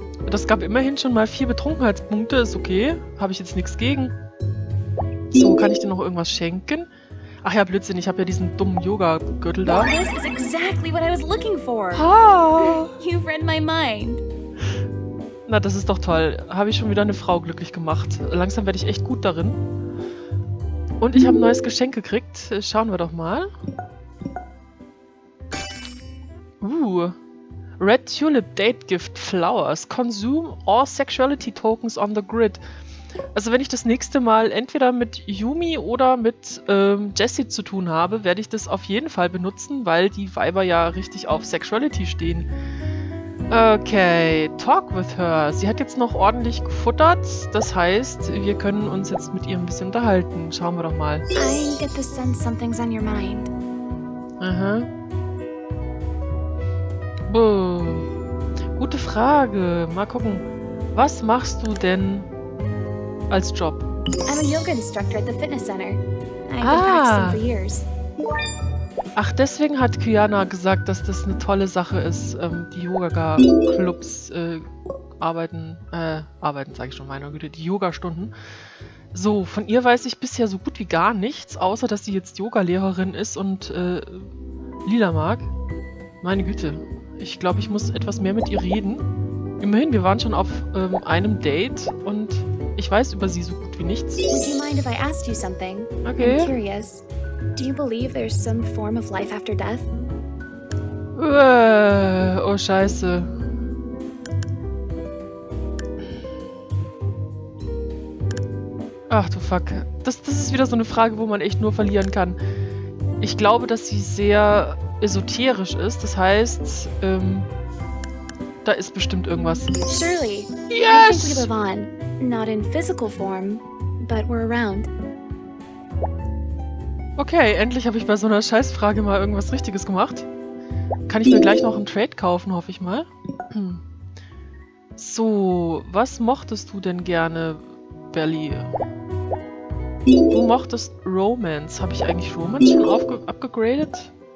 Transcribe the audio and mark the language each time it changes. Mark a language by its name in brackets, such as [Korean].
[German] Das gab immerhin schon mal 4 Betrunkenheitspunkte, ist okay. Habe ich jetzt nichts gegen. So, kann ich dir noch irgendwas schenken? Ach ja, Blödsinn, ich habe ja diesen dummen Yoga-Gürtel da. [English] This is exactly what I was looking for. Ah. You've read my mind. [German] Na, das ist doch toll. Habe ich schon wieder eine Frau glücklich gemacht. Langsam werde ich echt gut darin. Und ich habe ein neues Geschenk gekriegt. Schauen wir doch mal. [English] Red Tulip Date Gift Flowers. Consume all sexuality tokens on the grid. [German] Also wenn ich das nächste Mal entweder mit Yumi oder mit Jessie zu tun habe, werde ich das auf jeden Fall benutzen, weil die Weiber ja richtig auf Sexuality stehen. Okay, [English] talk with her. [German] Sie hat jetzt noch ordentlich gefuttert. Das heißt, wir können uns jetzt mit ihr ein bisschen unterhalten. Schauen wir doch mal. [English] I get the sense something's on your mind. Aha. [German] Gute Frage. Mal gucken. Was machst du denn als Job? [English] I'm a yoga instructor at the fitness center. I've been practicing for years. [German] Ach, deswegen hat Kyanna gesagt, dass das eine tolle Sache ist, die Yoga-Clubs die Yoga-Stunden. So, von ihr weiß ich bisher so gut wie gar nichts, außer dass sie jetzt Yoga-Lehrerin ist und Lila mag. Meine Güte. Ich glaube, ich muss etwas mehr mit ihr reden. Immerhin, wir waren schon auf einem Date und ich weiß über sie so gut wie nichts. [English] Would you mind if I asked you something? Okay. I'm curious. Do you believe there's some form of life after death? [German] Oh Scheiße. Ach du Fuck. Das ist wieder so eine Frage, wo man echt nur verlieren kann. Ich glaube, dass sie sehr esoterisch ist. Das heißt, da ist bestimmt irgendwas. [English] Surely. Yes. We live on. Not in physical form, but we're around. [German] Okay, endlich habe ich bei so einer Scheißfrage mal irgendwas Richtiges gemacht. Kann ich mir gleich noch einen Trade kaufen, hoffe ich mal. So, was mochtest du denn gerne, Belly? Du mochtest Romance. Habe ich eigentlich Romance schon abgegradet?